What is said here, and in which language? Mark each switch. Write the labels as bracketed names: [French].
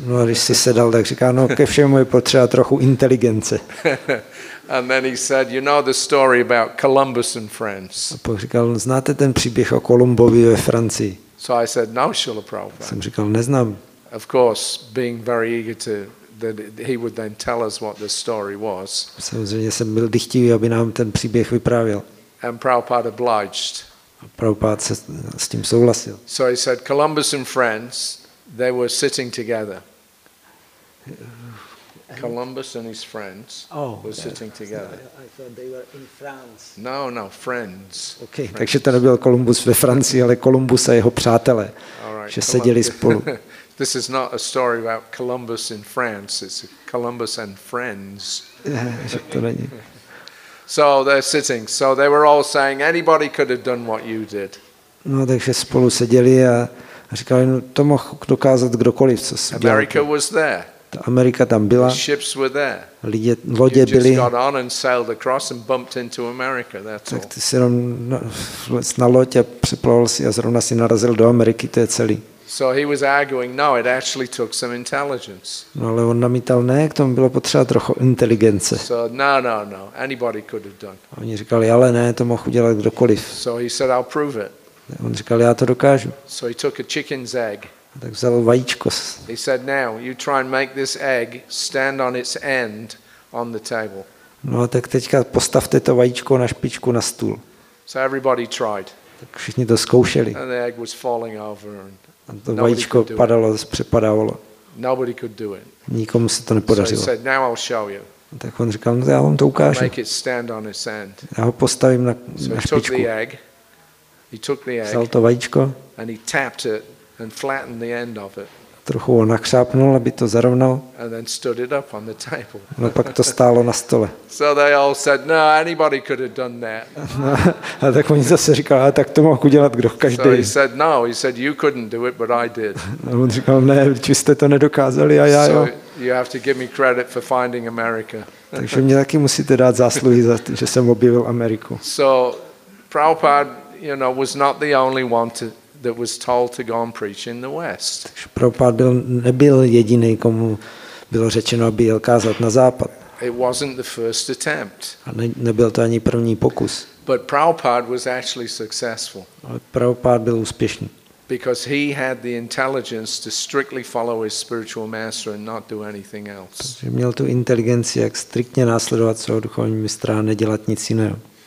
[Czech] No a když si sedal, tak říká, no ke všemu je potřeba trochu inteligence. [English] And then he said, you know the story about Columbus and friends. [Czech] A pak říkal, znáte ten příběh o Kolumbovi ve Francii? [English] So I said, no, Srila Prabhupada. [Czech] Jsem říkal, neznám. [English] Of course, being very eager to that he would then tell us what the story was. [Czech] Samozřejmě jsem byl dychtivý, aby nám ten příběh vyprávěl. [English] And Prabhupada obliged. [Czech] Prabhupada se s tím souhlasil. [English] So he said, Columbus and friends, they were sitting together. Columbus and his friends were sitting together. I thought they were in France. No, friends. [Czech] Okay, takže to nebyl Kolumbus ve Francii, ale Kolumbus a jeho přátelé, right, že seděli spolu. [English] This is not a story about Columbus in France. It's Columbus and friends. [Czech] To není. [English] So they're sitting. So they were all saying anybody could have done what you did. [Czech] No, takže spolu seděli a říkali, no, to mohl dokázat kdokoliv, co se [English] America [Czech] dělal. [English] Was there. [Czech] Ta Amerika tam byla. [English] The ships were there. [Czech] Lidé, lodě byly. [English] You just got on and sailed across and bumped into America. That's all. [Czech] Tak ty jenom na loď a připlul si a zrovna si narazil do Ameriky, to je celý. [English] So he was arguing, no, it actually took some intelligence. [Czech] No, ale on namítal, ne, k tomu bylo potřeba trochu inteligence. [English] So, no, anybody could have done. [Czech] A oni říkali, ale ne, to mohl udělat kdokoliv. [English] So he said, I'll prove it. [Czech] On říkal, já to dokážu. [English] So he took a chicken's egg. [Czech] A tak vzal vajíčko. [English] He said, now you try and make this egg stand on its end on the table. [Czech] No, a tak teďka postavte to vajíčko na špičku na stůl. [English] So everybody tried. [Czech] Tak všichni to zkoušeli. [English] And the egg was falling over. [Czech] A to vajíčko padalo, přepadávalo. [English] Nobody could do it. [Czech] Nikomu se to nepodařilo. [English] So he said, now I'll show you. [Czech] A tak on říkal, no, já vám to ukážu. [English] Make it stand on its end. [Czech] Já ho postavím na, na špičku. [English] So he took the egg. He took the egg. [Czech] Vzal to vajíčko. [English] And he tapped it and flattened the end of it. [Czech] Trochu ho nakřápnul, aby to zarovnal. [English] And then stood it up on the table. [Czech] No, pak to stálo na stole. [English] So they all said, no, anybody could have done that. [Czech] A tak oni zase říkali, a tak to mohl udělat kdo, každý. [English] So he said, no, he said, you couldn't do it, but I did. [Czech] A on říkal, ne, vy jste to nedokázali, a já jo. [English] So you have to give me credit for finding America. [Czech] Takže mě taky musíte dát zásluhy za to, že jsem objevil Ameriku. [English] So Prabhupada, you know, was not the only one to that was told to go and preach in the West. [Czech] Prabhupada nebyl jediný, komu bylo řečeno, aby jel kázat na západ. [English] It wasn't the first attempt. [Czech] A nebyl to ani první pokus. [English] But Prabhupada was actually successful. [Czech] Ale Prabhupada byl úspěšný. [English] Because he had the intelligence to strictly follow his spiritual master and not do anything else. [Czech] Protože měl tu inteligenci, jak striktně následovat svého duchovního mistra a nedělat nic jiného.